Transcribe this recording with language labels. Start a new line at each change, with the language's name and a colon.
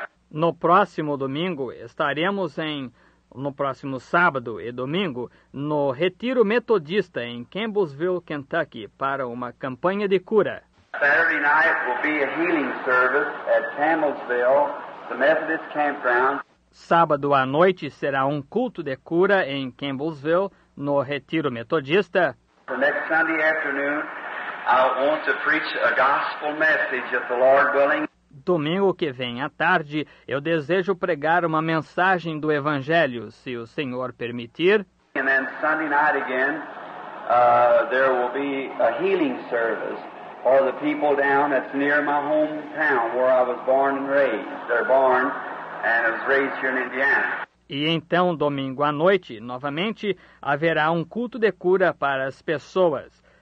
Portuguese: No próximo domingo estaremos em No próximo sábado e domingo, no Retiro Metodista em Campbellsville, Kentucky, para uma campanha de cura.
English: Saturday night will be a healing service at Campbellsville, the Methodist campground.
Portuguese: Sábado à noite será um culto de cura em Campbellsville, no Retiro Metodista.
English: The next Sunday afternoon, I want to preach a gospel message at the Lord willing.
Portuguese: Domingo que vem à tarde, eu desejo pregar uma mensagem do Evangelho, se o Senhor permitir.
English: And then Sunday night again, there will be a healing service for the people down that's near my hometown, where I was born and raised. They're born and I was raised here in Indiana.
Portuguese: E então, domingo à noite, novamente, haverá um culto de cura para as pessoas.